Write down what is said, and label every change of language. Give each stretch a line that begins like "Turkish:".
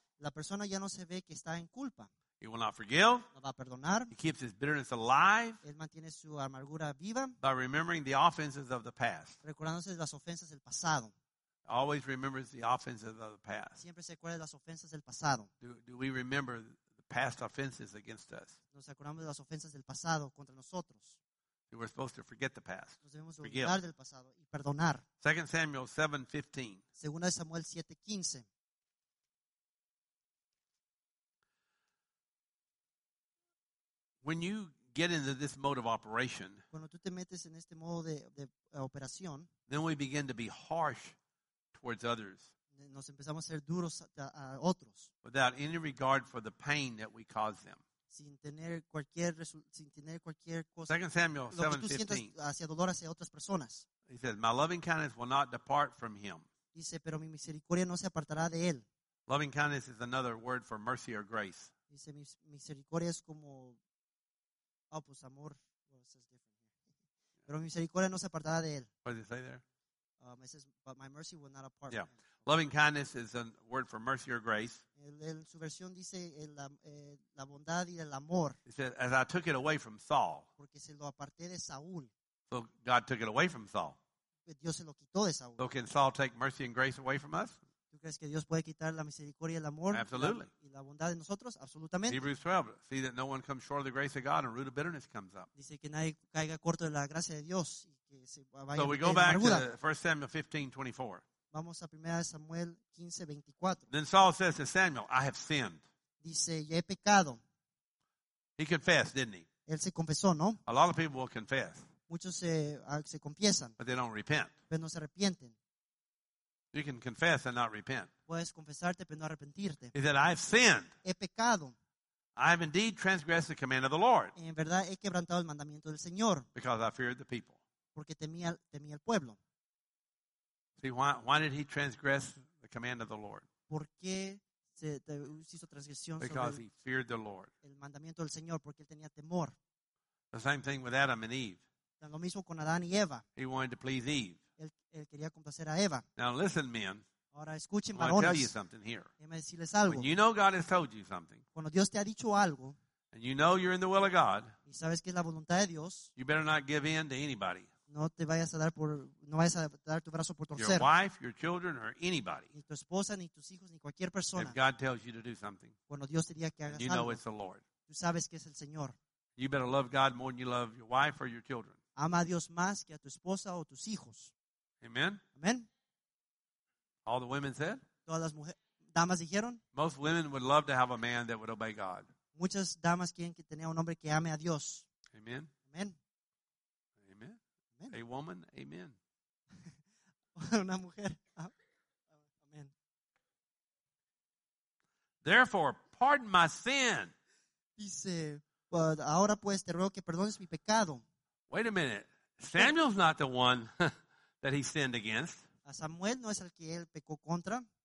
Spanish: La persona ya no se ve que está en culpa.
English: He will not forgive.
Spanish: No va a perdonar.
English: He keeps his bitterness alive.
Spanish: Él mantiene su amargura viva.
English: By remembering the offenses of the past.
Spanish: Recordándose las ofensas del pasado.
English: Always remembers the offenses of the past.
Spanish: Siempre se acuerda de las ofensas del pasado.
English: Do we remember the past offenses against us?
Spanish: Nos acordamos de las ofensas del pasado contra nosotros.
English: We're supposed to forget the past.
Spanish: Nos debemos olvidar del pasado y perdonar.
English: 2 Samuel 7:15.
Spanish: Segunda de Samuel 7:15.
English: When you get into this mode of operation,
Spanish: cuando tú te metes en este modo de operación,
English: then we begin to be harsh towards others.
Spanish: Nos empezamos a ser duros a otros.
English: Without any regard for the pain that we cause them.
Spanish: Sin tener cualquier cosa.
English: 2 Samuel 7:15.
Spanish: Hacia dolor hacia otras personas.
English: He says, "My loving kindness will not depart from him."
Spanish: Dice, pero mi misericordia no se apartará de él. Loving kindness is another word for mercy or grace. Dice, mi misericordia es como pues amor. Pero mi misericordia no se apartará de él.
English: What does it say there? It says, but my mercy will not apart. Yeah. Loving kindness is a word for mercy or grace.
Spanish: En su versión dice la bondad y el amor.
English: It says, as I took it away from Saul.
Spanish: Porque se lo aparté de Saúl.
English: So God took it away from Saul.
Spanish: Dios se lo quitó de Saúl.
English: So can Saul take mercy and grace away from us?
Spanish: ¿Tú crees que Dios puede quitar la misericordia y el amor?
English: Absolutely.
Spanish: Y la bondad de nosotros? Absolutamente.
English: Hebrews 12, see that no one comes short of the grace of God and a root of bitterness comes up.
Spanish: Dice que nadie caiga corto de la gracia de Dios.
English: So we go back to 1 Samuel 15:24.
Spanish: Vamos a 1 Samuel 15:24.
English: Then Saul says to Samuel, "I have sinned."
Spanish: Dice, "Yo he pecado."
English: He confessed, didn't he?
Spanish: Él se confesó, ¿no?
English: A lot of people will confess.
Spanish: Muchos se confiesan.
English: But they don't repent.
Spanish: Pero no se arrepienten.
English: You can confess and not repent.
Spanish: Puedes confesarte pero no arrepentirte.
English: He said, "I have sinned."
Spanish: He pecado.
English: I have indeed transgressed the command of the Lord.
Spanish: En verdad he quebrantado el mandamiento del Señor.
English: Because I feared the people.
Spanish: Porque temía al pueblo.
English: See, why did he transgress the command of the Lord?
Spanish: ¿Por qué se hizo transgresión
English: because
Spanish: sobre
English: he feared the Lord.
Spanish: El mandamiento del Señor, porque él tenía temor.
English: The same thing with Adam and Eve.
Spanish: Lo mismo con Adán y Eva.
English: He wanted to please Eve.
Spanish: Él quería complacer a Eva.
English: Now listen, men.
Spanish: Ahora escuchen, varones.
English: Tell you something here. When you know God has told you something,
Spanish: cuando Dios te ha dicho algo,
English: and you know you're in the will of God,
Spanish: y sabes que es la voluntad de Dios,
English: you better not give in to anybody.
Spanish: No te vayas a dar por, no vayas a dar tu brazo por torcer.
English: Your wife, your children, or anybody.
Spanish: Ni tu esposa, ni tus hijos, ni cualquier persona.
English: If God tells you to do something,
Spanish: cuando Dios te diga que hagas
English: you
Spanish: algo,
English: know it's the Lord.
Spanish: Tú sabes que es el Señor.
English: You better love God more than you love your wife or your children.
Spanish: Ama a Dios más que a tu esposa o tus hijos.
English: Amen.
Spanish: Amen.
English: All the women said.
Spanish: Todas las damas dijeron.
English: Most women would love to have a man that would obey God.
Spanish: Muchas damas quieren que tenga un hombre que ame a Dios.
English: Amen.
Spanish: Amen.
English: Amen. Amen. A woman. Amen.
Spanish: Una mujer. Amen.
English: Therefore, pardon my sin.
Spanish: Dice, but ahora pues te ruego que perdones mi pecado.
English: Wait a minute. Samuel's not the one that he sinned against.
Spanish: A Samuel no es el que él pecó contra.